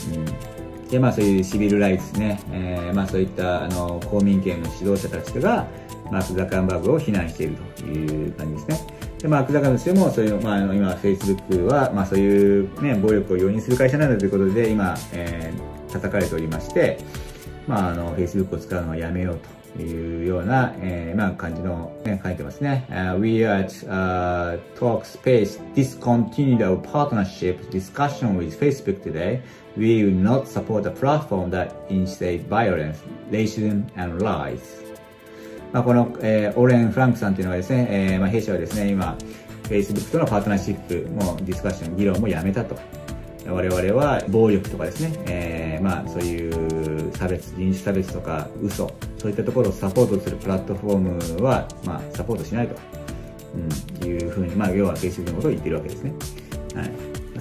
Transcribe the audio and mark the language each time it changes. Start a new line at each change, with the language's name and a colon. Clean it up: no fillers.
Japanese: うん、でまあそういうシビルライツね、まあそういったあの公民権の指導者たちがマーク・ザッカーバーグを非難しているという感じですね。でマーク・ザッカーバーグもそういうまあ今 Facebook はまあそういうね暴力を容認する会社なんだということで今、叩かれておりまして、まああの Facebook を使うのはやめようと。いうような、まあ、感じの、ね、書いてますね。
English: We are at Talkspace discontinued our partnership discussion with Facebook today. We will not support a platform that incites violence, racism, and lies.
Japanese: まあ、この、オーレン・フランクさんというのはですね、まあ、弊社はですね、今、Facebook とのパートナーシップもディスカッション、議論もやめたと。我々は暴力とかですね、まあ、そういう差別、人種差別とか嘘、そういったところをサポートするプラットフォームは、まあ、サポートしないと、うん、いうふうに、まあ、要は Facebook のことを言っているわけですね。はい。